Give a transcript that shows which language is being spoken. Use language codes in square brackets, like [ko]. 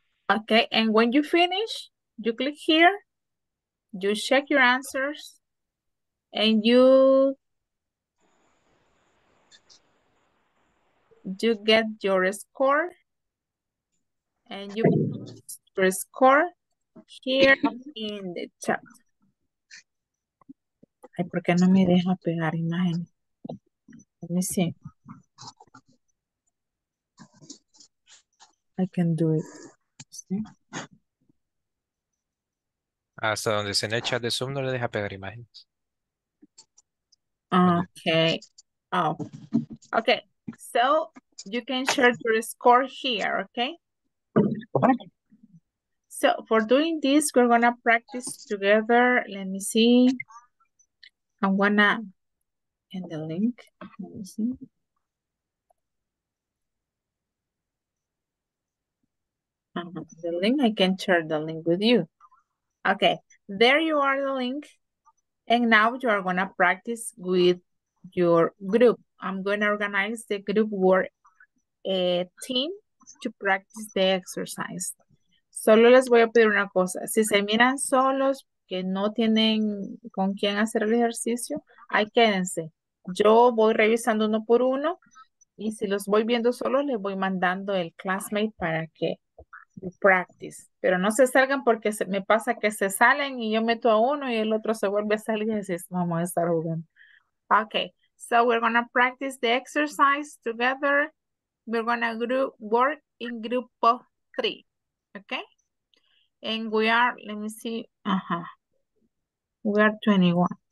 [en] Okay, and when you finish, you click here, you check your answers, and you get your score, and you put your score here in the chat. [es] Ay, ¿por qué no me deja pegar imágenes? [en] Let me see. I can do it. [es] ¿Sí? Hasta donde se echa de Zoom no le deja pegar imágenes. [en] Okay. Oh. Okay. So you can share your score here, okay? So for doing this, we're gonna practice together. Let me see. I'm gonna end the link. Let me see. The link, I can share the link with you. Okay, there you are, the link. And now you are gonna practice with your group. I'm gonna organize the group work team to practice the exercise. [es] Solo les voy a pedir una cosa. Si se miran solos, que no tienen con quién hacer el ejercicio, ahí quédense. yo voy revisando uno por uno y si los voy viendo solo, les voy mandando el classmate para que practice. Pero no se salgan porque se, me pasa que se salen y yo meto a uno y el otro se vuelve a salir y dices, vamos a estar jugando. [en] Okay, so we're going to practice the exercise together. We're going to group work in group of three. Okay? And we are, let me see, we are 21.